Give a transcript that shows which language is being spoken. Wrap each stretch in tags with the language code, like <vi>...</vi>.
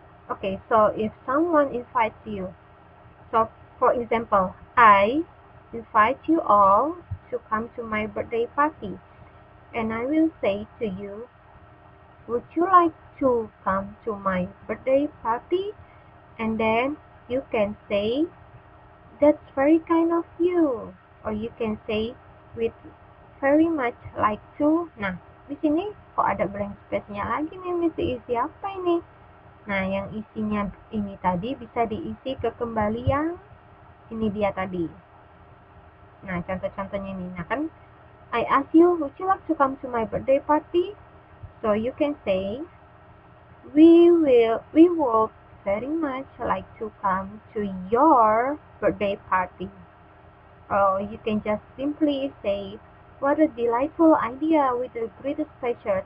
<en>Okay, so if someone invites you, so for example, I invite you all to come to my birthday party, and I will say to you, would you like to come to my birthday party? And then you can say, that's very kind of you, or you can say, we'd very much like to.</en> <id>Nah, di sini kok ada blank space-nya lagi nih, Miss Isi, apa ini? Nah, yang isinya ini tadi bisa diisi ke kembali yang ini dia tadi. Nah, contoh-contohnya ini.</id> <en>Nah, kan, I ask you, would you like to come to my birthday party? So, you can say, we would very much like to come to your birthday party. Or you can just simply say, what a delightful idea with the greatest pleasure.</en>